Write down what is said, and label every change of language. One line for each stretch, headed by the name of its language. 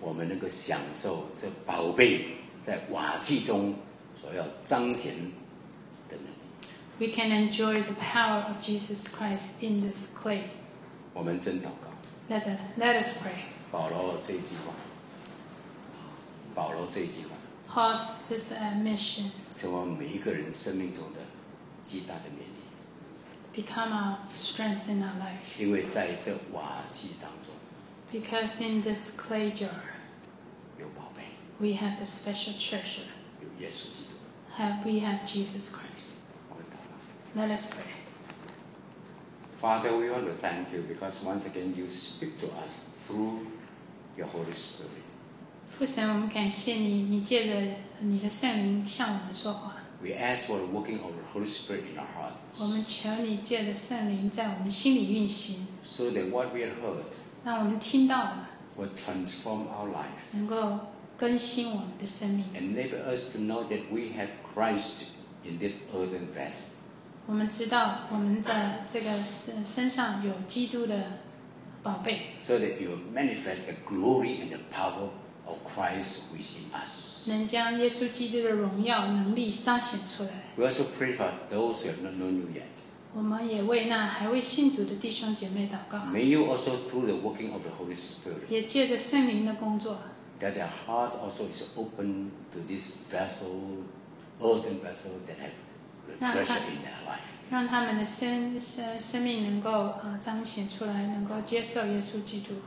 Chinese: 我们能够享受这宝贝在瓦器中所要彰显的能力。
English: We can enjoy the power of Jesus Christ in this clay。
Chinese: 我们真祷告。
English: Let us pray。
Chinese: 保罗这一句话，保罗这一句话
English: ，Paul's this admission，
Chinese: 成为每一个人生命中的极大的勉励。
English: Become our strength in our life.
Chinese: 因为在这瓦器当中，
English: Because in this clay jar,
Chinese: 有宝贝。
English: We have the special treasure.
Chinese: 有耶稣基督。
English: We have Jesus Christ.
Chinese: 我们祷告。
English: Let us pray. Father, we want to thank you because once again you speak to us through your Holy Spirit.
Chinese: 父神，我们感谢你，你借着你的圣灵向我们说话。
English: We ask for the working of the Holy Spirit in our hearts.
Chinese: 我们求你借着圣灵在我们心里运行。
English: So that what we have heard,
Chinese: 让我们听到的
English: will transform our life.
Chinese: 能够更新我们的生命。
English: Enable us to know that we have Christ in this earthen vessel.
Chinese: 我们知道我们在这个身上有基督的宝贝。
English: So that you manifest the glory and the power of Christ within us.
Chinese: 能将耶稣基督的荣耀能力彰显出来。
English: We also pray for those who have not known you yet.
Chinese: 我们也为那还未信主的弟兄姐妹祷告。
English: May you also through the working of the Holy Spirit.
Chinese: 也借着圣灵的工作。
English: That their heart also is open to this vessel, earthen vessel that have treasure in their life.
Chinese: 让他们的生命能够彰显出来，能够接受耶稣基督。